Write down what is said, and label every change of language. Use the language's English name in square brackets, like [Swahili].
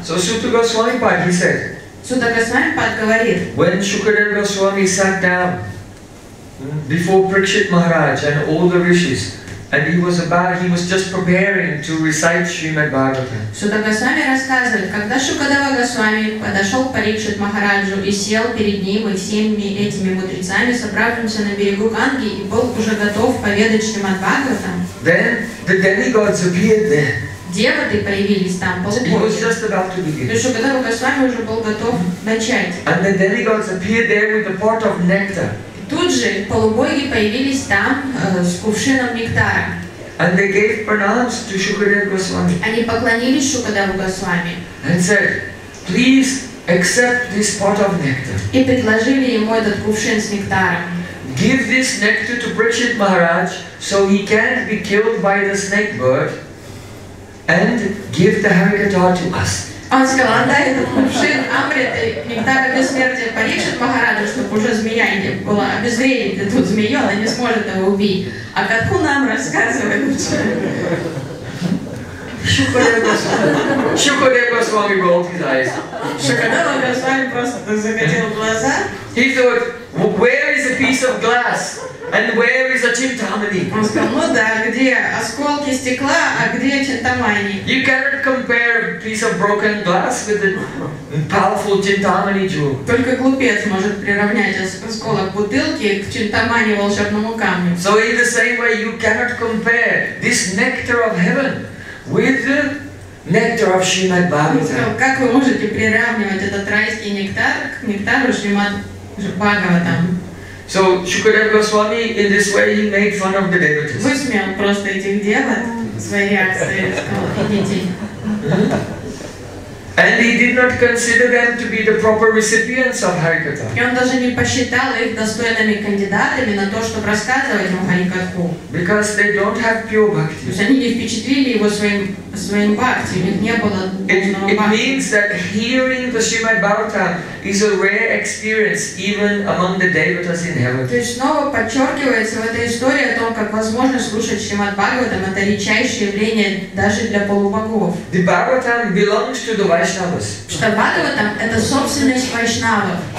[English] So Sutta Goswami Pad, he said, [Russian] Sutta Goswami Pad говорит, [English] when Shukadeva Goswami sat down before Prakshit Maharaj and all the rishis, and he was just preparing to recite Srimad Bhagavatam. [Russian] Сута Госвами рассказывает, когда Шукадева Госвами подошел к Парикшит Махараджу и сел перед ним и всеми этими мудрецами, собравшимся на берегу Ганги, и был уже готов поведать Шримад Бхагаватам. [English] Then the demigods appeared there. [Russian] Деваты появились там, полубоги. Шукадева Госвами уже был готов начать. [English] And the demigods appeared there with a pot of nectar. [Russian] Тут же полубоги появились там с кувшином нектара. [English] And they gave pranams to Shukadeva Goswami. [Russian] Они поклонились Шукадеву Госвами. [English] And said, please accept this pot of nectar. [Russian] И предложили ему этот кувшин с нектаром. [English] Give this nectar to Prakshit Maharaj so he can't be killed by the snake bird, and give the harikata to us. [Russian] Он сказал, отдай этот кувшин Амрита, нектара бессмертия Парикшит Махараджа, чтобы уже змея не была обезвредить эту змею, она не сможет его убить. А катху нам рассказывает вчера. [English] Шукадева Госвами rolled his eyes. [Russian] Шукадева Госвами просто закатил глаза. [English] He thought, Where is a piece of glass? And where is a chintamani? You cannot compare a piece of broken glass with a powerful chintamani jewel. [Russian] Только глупец может приравнять осколок бутылки к чинтамани волшебному камню. [English] So in the same way, you cannot compare this nectar of heaven with the nectar of Srimad Bhagavatam. [Russian] Как вы можете приравнивать этот райский нектар к нектару Шримад Бхагаватам? [English] So Shukadeva Goswami, in this way, he made fun of the devotees. [Russian] Высмеял просто этих девот своей реакцией. [English] And he did not consider them to be the proper recipients of Harikatha. [Russian] И он даже не посчитал их достойными кандидатами на то, чтобы рассказывать ему Харикатху. [English] Because they don't have pure bhakti. [Russian] То есть они не впечатлили его своим бхакти, у них не было нужного [English] It means that hearing the Srimad Bhagavatam is a rare experience even among the devotees in heaven. [Russian] То есть снова подчеркивается в этой истории о том, как возможно слушать Шримад Бхагаватам, это редчайшее явление даже для полубогов. [English] The Bhagavatam belongs to the Vaishnavas. [Russian] Что Бхагаватам — это собственность вайшнавов.